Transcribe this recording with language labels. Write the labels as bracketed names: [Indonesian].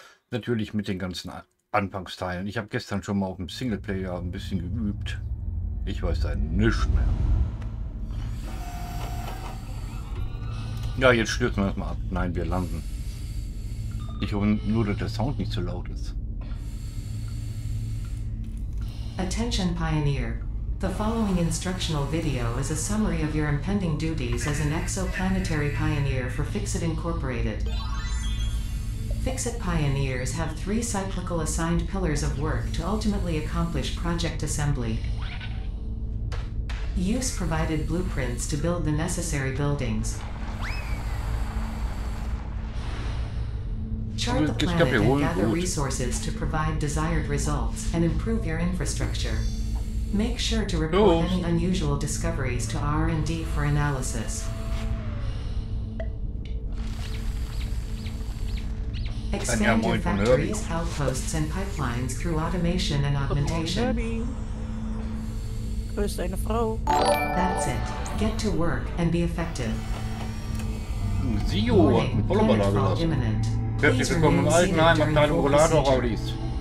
[German] Natürlich mit den ganzen Anfangsteilen. Ich habe gestern schon mal auf dem Singleplayer ein bisschen geübt. Ich weiß da nichts mehr. Ja, jetzt stürzen wir erstmal ab. Nein, wir landen. Ich hoffe nur, dass der Sound nicht so laut ist. [English] Attention Pioneer. The following instructional video is a summary of your impending duties as an exoplanetary pioneer for Fixit Incorporated. Fixit Pioneers have 3 cyclical assigned pillars of work to ultimately accomplish project assembly. Use provided blueprints to build the necessary buildings. Chart the planet and gather resources to provide desired results and improve your infrastructure. Make sure to report any unusual discoveries to R&D for analysis. Expand your factories, outposts and pipelines through automation and augmentation. [German] Grüß deine Frau. [English] That's it. Get to work and be effective. [German] Sio hat mit Vollumballage lassen. Herzlich willkommen im Altenheim, Abteilung Rollator-Raudis.